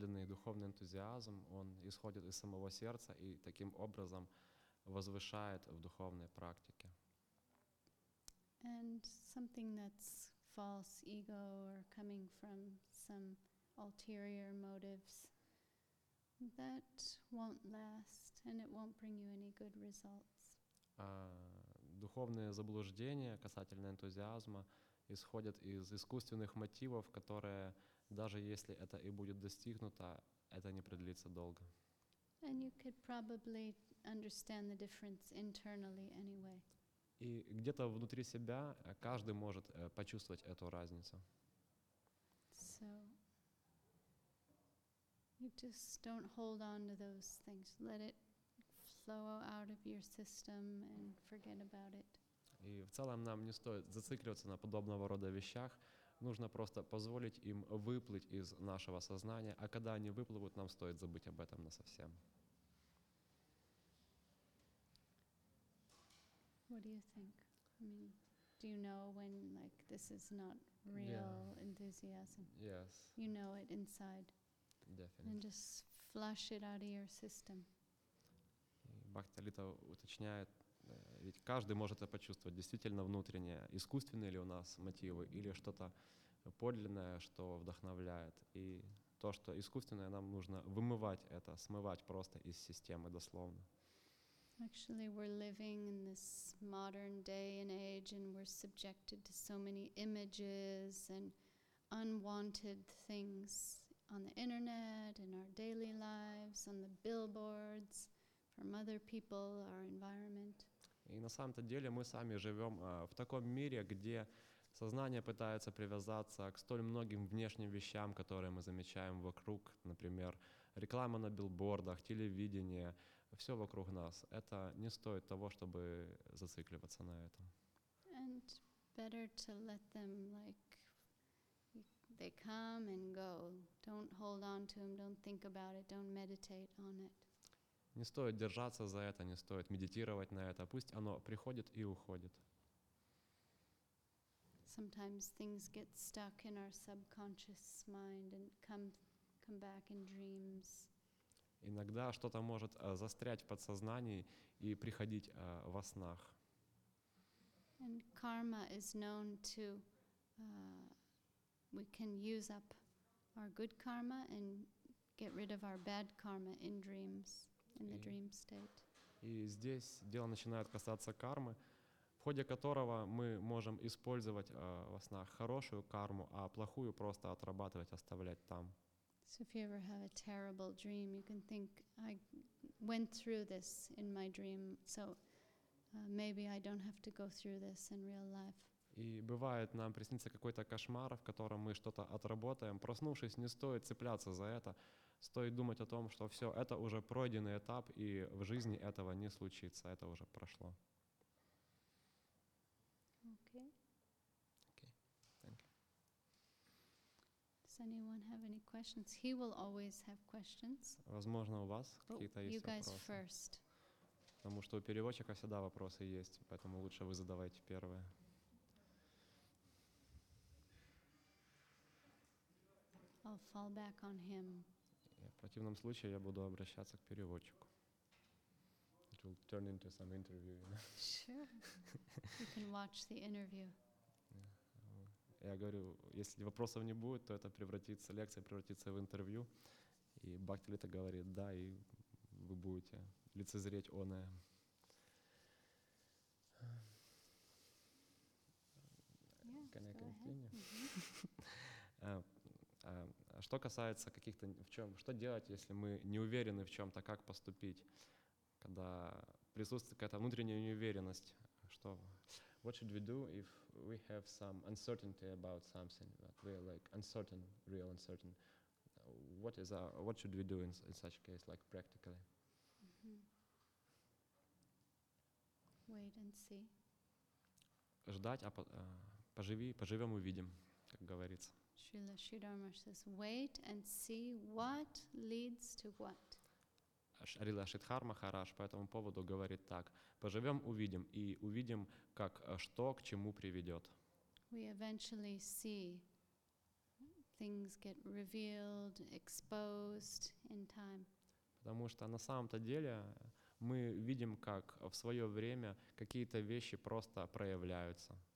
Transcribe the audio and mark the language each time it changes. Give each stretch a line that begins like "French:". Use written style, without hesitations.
Russian: духовный энтузиазм, он исходит из самого сердца и таким образом возвышает в духовной практике.
English: And something that's false ego or coming from some ulterior motives, that won't last and it won't bring you any good results.
Russian: Духовные заблуждения касательно энтузиазма исходят из искусственных мотивов, которые, даже если это и будет достигнуто, это не продлится долго.
English: And you could probably understand the difference internally anyway.
Russian: И где-то внутри себя каждый может почувствовать эту разницу.
English: So you just don't hold on to those things. Let it flow out of your system and forget about it.
Russian: И в целом нам не стоит зацикливаться на подобного рода вещах. Нужно просто позволить им выплыть из нашего сознания. А когда они выплывут, нам стоит забыть об этом насовсем.
English: What do you think? I mean, do you know when, like, this is not real enthusiasm? Yes. You know it inside. Definitely. And just flush it out of your system.
Russian: Бхактилита уточняет, ведь каждый может это почувствовать, действительно внутреннее, искусственные ли у нас мотивы, или что-то подлинное, что вдохновляет. И то, что искусственное, нам нужно вымывать это, смывать просто из системы дословно.
English: Actually, we're living in this modern day and age, and we're subjected to so many images and unwanted things on the internet, in our daily lives, on the billboards, from other people, our environment.
Russian: И на самом-то деле мы сами живем в таком мире, где сознание пытается привязаться к столь многим внешним вещам, которые мы замечаем вокруг, например, реклама на билбордах, телевидение, все вокруг нас. Это не стоит того, чтобы зацикливаться на этом.
English: And better to let them, like, they come and go. Don't hold on to them, don't think about it, don't meditate on it.
Russian: Не стоит держаться за это, не стоит медитировать на это. Пусть оно приходит и уходит.
English: Sometimes things get stuck in our subconscious mind and come back in dreams.
Russian: Иногда что-то может застрять в подсознании и приходить во снах.
English: And karma is known to we can use up our good karma and get rid of our bad karma in dreams, in the dream state.
Russian: И здесь дело начинает касаться кармы, в ходе которого мы можем использовать во снах хорошую карму, а плохую просто отрабатывать, оставлять там.
English: So if you ever have a terrible dream, you can think, I went through this in my dream, so maybe I don't have to go through this in real life.
Russian: И бывает, нам приснится какой-то кошмар, в котором мы что-то отработаем. Проснувшись, не стоит цепляться за это. Стоит думать о том, что все, это уже пройденный этап, и в жизни этого не случится, это уже прошло.
English: Okay. Okay. Thank you. Does anyone have any questions? He will always have questions.
Russian: Возможно, у вас какие-то есть
English: you guys
Russian: вопросы.
English: First.
Russian: Потому что у переводчика всегда вопросы есть, поэтому лучше вы задавайте первые.
English: I'll fall back on him.
Russian: В противном случае я буду обращаться к переводчику.
English: It will turn into some interview, you know? Sure. You can watch the interview.
Russian: Я говорю, если вопросов не будет, то это превратится, лекция превратится в интервью. И Бхактилита говорит, да, и вы будете лицезреть оное.
English: Can I continue?
Russian: Что касается каких-то, в чем, что делать, если мы не уверены в чем-то, как поступить? Когда присутствует какая-то внутренняя неуверенность, что?
English: What should we do if we have some uncertainty about something, but we're like uncertain, real uncertain? What is our, what should we do in such case, like practically? Mm-hmm. Wait and see.
Russian: Ждать, а поживи, поживем, увидим, как говорится.
English: Srila Sridharma says, wait and see what leads to what.
Russian: Шрила Шридхара Махарадж по этому поводу говорит так. Поживем, увидим, и увидим, как что к чему приведет.
English: We eventually see things get revealed, exposed in time.
Russian: Потому что на самом-то деле мы видим, как в свое время какие-то вещи просто проявляются.